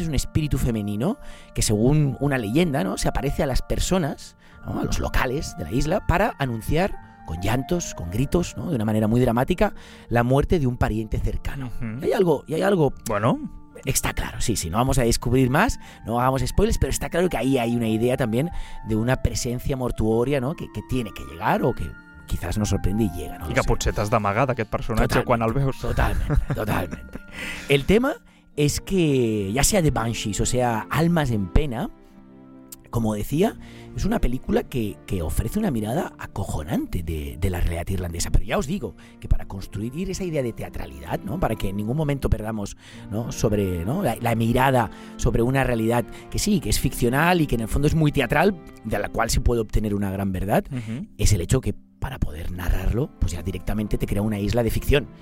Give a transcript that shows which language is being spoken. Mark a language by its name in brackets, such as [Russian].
[Spanish] Es un espíritu femenino que, según una leyenda, ¿no?, se aparece a las personas, ¿no?, a los locales de la isla, para anunciar con llantos, con gritos, ¿no?, de una manera muy dramática, la muerte de un pariente cercano. Uh-huh. Y hay algo... Bueno. Está claro, sí, no vamos a descubrir más, no hagamos spoilers, pero está claro que ahí hay una idea también de una presencia mortuoria, ¿no?, que tiene que llegar o que quizás nos sorprende y llega, ¿no? [Catalan] I que potser d'amagada aquest personatge quan el veus. [Spanish] Totalmente. El tema es que, ya sea de Banshees o sea Almas en Pena, como decía, es una película que ofrece una mirada acojonante de la realidad irlandesa. Pero ya os digo que para construir esa idea de teatralidad, ¿no?, para que en ningún momento perdamos, ¿no?, sobre, ¿no?, la mirada sobre una realidad que sí, que es ficcional y que en el fondo es muy teatral, de la cual se puede obtener una gran verdad, uh-huh, es el hecho que para poder narrarlo, pues ya directamente te crea una isla de ficción.